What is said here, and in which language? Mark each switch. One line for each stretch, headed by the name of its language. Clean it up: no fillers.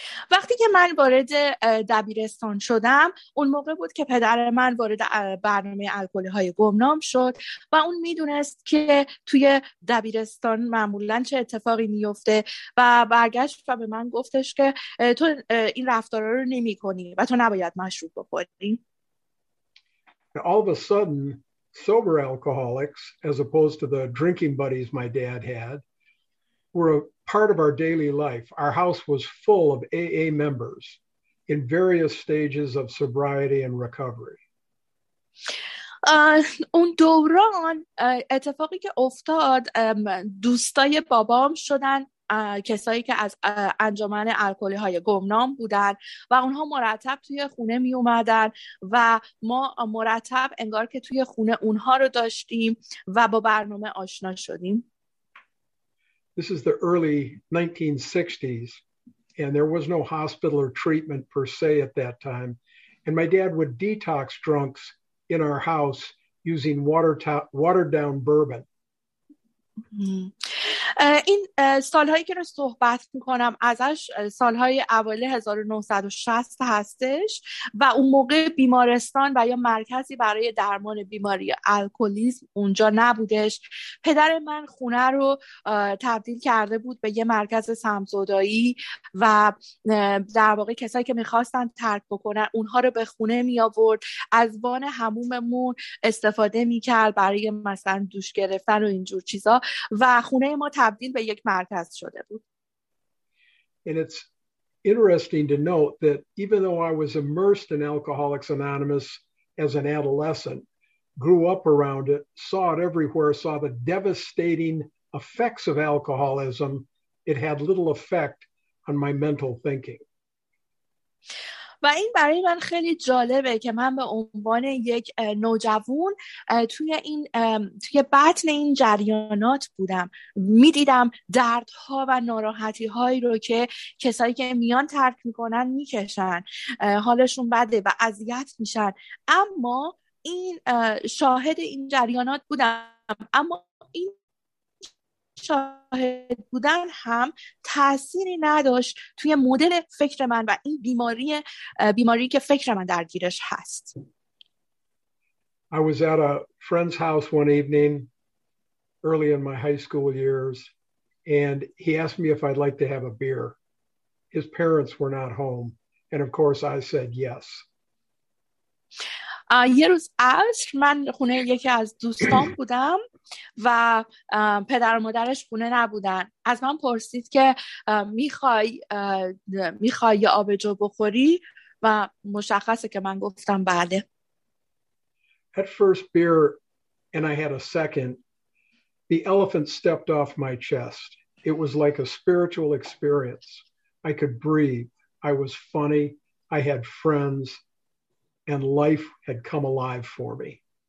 Persian: وقتی که من وارد دبیرستان شدم، اون موقع بود که پدر من وارد برنامه الکلی‌های گمنام شد و اون میدونست که توی دبیرستان معمولاً چه اتفاقی میفته و برگشت و به من گفتش که تو این رفتارا رو نمی‌کنی و تو نباید مشروب بخوری.
English: All of a sudden, sober alcoholics, as opposed to the drinking buddies my dad had, were a part of our daily life. Our house was full of AA members in various stages of sobriety and recovery.
Persian: اون دوران اتفاقی که افتاد، دوستای بابام شدن کسایی که از انجمن الکلی‌های گمنام بودن و اونها مرتب توی خونه می اومدن و ما مرتب انگار که توی خونه اونها رو داشتیم و با برنامه آشنا شدیم.
English: This is the early 1960s, and there was no hospital or treatment per se at that time. And my dad would detox drunks in our house using watered down bourbon.
Persian: این سالهایی که رو صحبت میکنم ازش سالهای اول 1960 هستش و اون موقع بیمارستان و یا مرکزی برای درمان بیماری الکلیسم اونجا نبودش. پدر من خونه رو تبدیل کرده بود به یه مرکز سمزدایی و در واقع کسایی که میخواستن ترک بکنن اونها رو به خونه میآورد، از وان حموممون استفاده میکرد برای مثلا دوش گرفتن و اینجور چیزا، و خونه ما تبدیل به یک مرکز شده بود.
English: And it's interesting to note that even though I was immersed in Alcoholics Anonymous as an adolescent, grew up around it, saw it everywhere, saw the devastating effects of alcoholism, it had little effect on my mental thinking.
Persian: و این برای من خیلی جالبه که من به عنوان یک نوجوان توی بطن این جریانات بودم، میدیدم دردها و ناراحتی هایی رو که کسایی که میان ترک میکنن میکشن، حالشون بده و اذیت میشن، اما این شاهد این جریانات بودم، اما این شاهد بودن هم تأثیری نداشت توی مدل فکر من و این بیماری که فکر من درگیرش هست.
English: I was at a friend's house one evening early in my high school years and he asked me if I'd like to have a beer. His parents were not home and of course I said yes.
Persian: یه روز عصر من خونه یکی از دوستان بودم و پدر و مادرش خونه نبودن. از من پرسید که میخوای یه آبجو بخوری و مشخصه که من گفتم بله.
English: At first beer and I had a second, the elephant stepped off my chest. It was like a spiritual experience. I could breathe. I was funny. I had friends. And life had come alive for me.